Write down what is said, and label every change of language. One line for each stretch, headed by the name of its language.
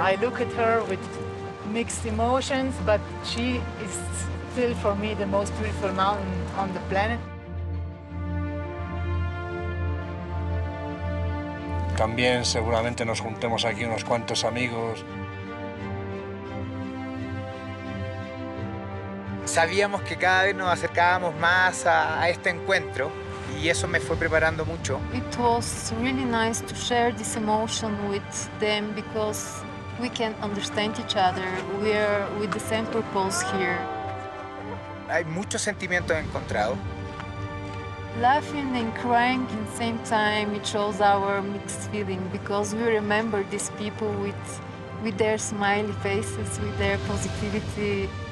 English: I look at her with mixed emotions, but she is still for me the most beautiful mountain on the planet.
Spanish: También seguramente nos juntemos aquí unos cuantos amigos. Sabíamos que cada vez nos acercábamos más a este encuentro y eso me fue preparando mucho.
English: It was really nice to share this emotion with them because we can understand each other. We are with the same purpose here.
Spanish: Hay muchos sentimientos encontrados.
English: Laughing and crying in the same time, it shows our mixed feeling because we remember these people with their smiley faces, with their positivity.